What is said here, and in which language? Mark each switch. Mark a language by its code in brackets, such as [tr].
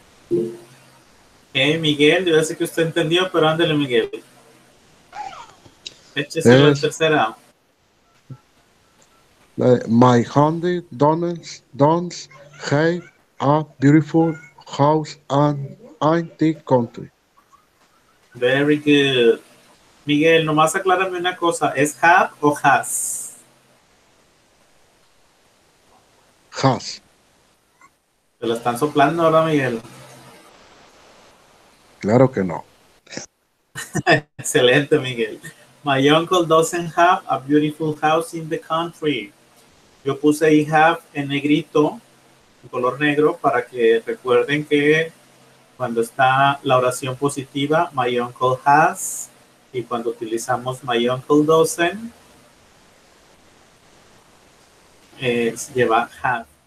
[es] Okay, Miguel, yo sé que usted entendió, pero ándale, Miguel. Échese la tercera. [en] My honey don't have a beautiful house and antique country. Very good. [es] Miguel, nomás aclárame una cosa. ¿Es have o has? [en] Has. [es] ¿Te lo están soplando ahora, Miguel? Claro que no. Excelente, Miguel. [en] My uncle doesn't have a beautiful house in the country. [es] Yo puse I have en negrito, en color negro, para que recuerden que cuando está la oración positiva, [en] my uncle has, [es] y cuando utilizamos [en] my uncle doesn't, [es] lleva have.